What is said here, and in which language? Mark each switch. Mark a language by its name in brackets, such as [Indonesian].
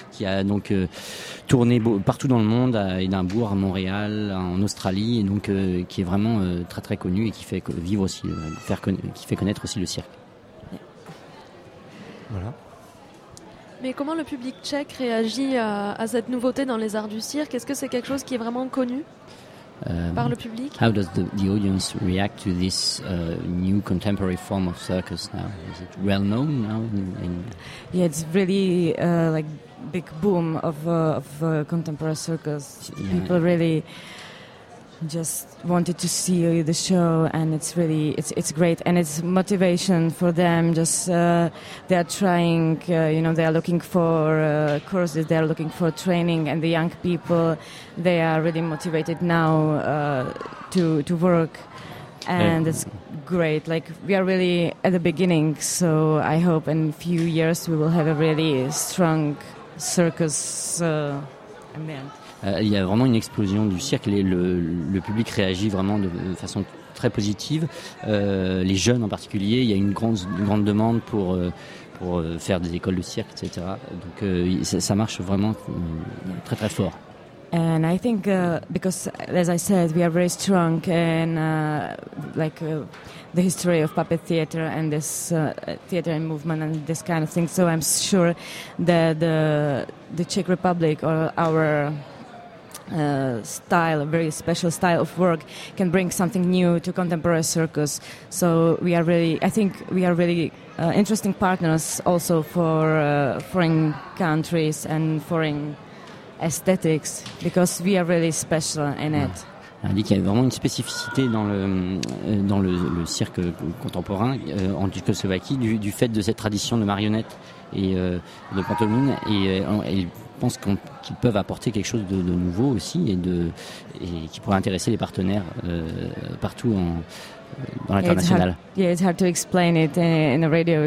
[French] Qui a donc tourné partout dans le monde, à Édimbourg, à Montréal, en Australie, et donc qui est vraiment très très connue et qui fait vivre aussi, qui fait connaître aussi le cirque. Voilà. Mais comment le public tchèque réagit à cette nouveauté dans les arts du cirque? Est-ce que c'est quelque chose qui est vraiment connu par le public? [English] How does the audience react to this new contemporary form of circus now? Is it well known now? Yeah, it's really like big boom of contemporary circus. Yeah. People really just wanted to see the show, and it's really it's great, and it's motivation for them. Just they are trying, they are looking for courses, they are looking for training, and the young people, they are really motivated now to work, and it's great. Like, we are really at the beginning, so I hope in a few years we will have a really strong circus event. [French] Il y a vraiment une explosion du cirque. Le public réagit vraiment de façon très positive. Les jeunes en particulier, il y a une grande demande pour faire des écoles de cirque, etc. Donc ça marche vraiment très très fort. [English] And I think because, as I said, we are very strong in the history of puppet theater and this theater and movement and this kind of thing. So I'm sure that the Czech Republic or our style, a very special style of work, can bring something new to contemporary circus. So we are really, I think we are really interesting partners also for foreign countries and foreign aesthetics, because we are really special in it. [French] Il dit qu'il y a vraiment une spécificité dans le cirque contemporain en Tchécoslovaquie du fait de cette tradition de marionnettes et de pantomime, et pense qu'ils peuvent apporter quelque chose de nouveau aussi et qui pourrait intéresser les partenaires partout dans l'international. [English] Yeah, it's hard to explain it in the radio.